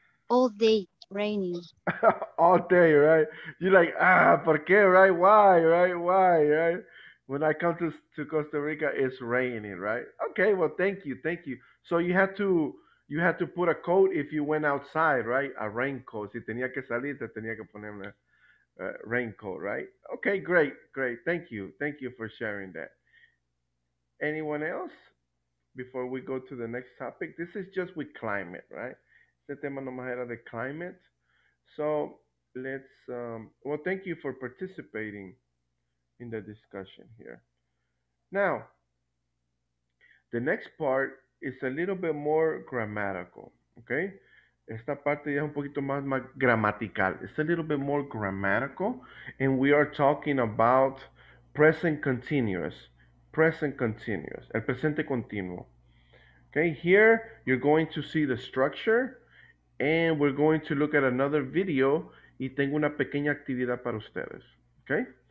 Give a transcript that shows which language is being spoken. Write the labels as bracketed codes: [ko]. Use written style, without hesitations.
[en] All day raining. All day, right? You're like, [es] por qué, [en] right? Why, right? When I come to Costa Rica, it's raining, right? Okay, well, thank you. So you had to put a coat if you went outside, right? A raincoat. [es] Si tenía que salir, te tenía que poner una raincoat, right? [en] Okay, great. Thank you for sharing that. Anyone else before we go to the next topic? This is just with climate, right? [es] Este tema no más era de climate. [en] So let's, thank you for participating in the discussion here. Now, the next part is a little bit more grammatical, okay? [es] Esta parte ya es un poquito más gramatical. [en] It's a little bit more grammatical, and we are talking about present continuous, [es] el presente continuo. [en] Okay, here you're going to see the structure and we're going to look at another video [es] y tengo una pequeña actividad para ustedes. [en] Okay,